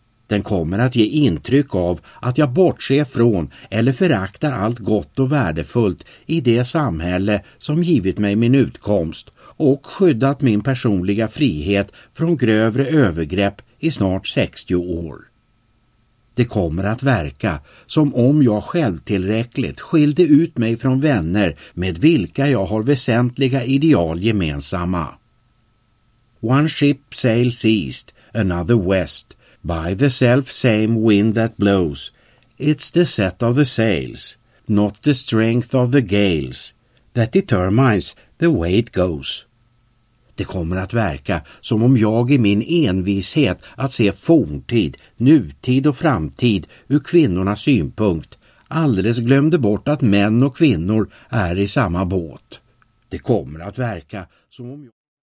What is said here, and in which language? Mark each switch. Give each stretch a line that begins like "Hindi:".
Swedish: Den kommer att ge intryck av att jag bortser från eller föraktar allt gott och värdefullt i det samhälle som givit mig min utkomst och skyddat min personliga frihet från grövre övergrepp i snart 60 år. Det kommer att verka som om jag självtillräckligt skilde ut mig från vänner med vilka jag har väsentliga ideal gemensamma.
English: One ship sails east, another west, by the self same wind that blows. It's the set of the sails, not the strength of the gales, that determines the way it goes.
Swedish: Det kommer att verka som om jag i min envishet att se forntid, nutid och framtid ur kvinnornas synpunkt alldeles glömde bort att män och kvinnor är i samma båt. Det kommer att verka som om jag...